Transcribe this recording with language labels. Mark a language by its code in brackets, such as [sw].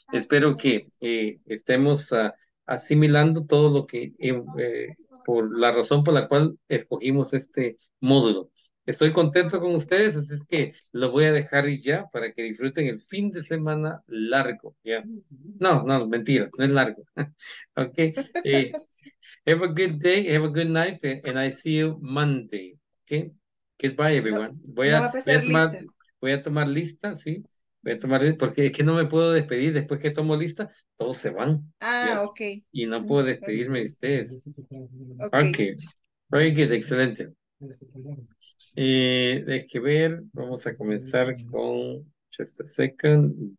[es] Espero que estemos asimilando todo lo que por la razón por la cual escogimos este módulo. Estoy contento con ustedes, así es que lo voy a dejar ya para que disfruten el fin de semana largo. ¿Ya? No, no, mentira, no es largo. Ok. [en] Have a good day, have a good night, and I see you Monday. [es] Okay. Goodbye, everyone. Voy a tomar lista, sí. Voy a tomar lista, porque es que no me puedo despedir después que tomo lista, todos se van. Ah, ¿ya? Ok. Y no puedo despedirme de ustedes. Okay. Very good, excelente. Deje ver, vamos a comenzar con just a second.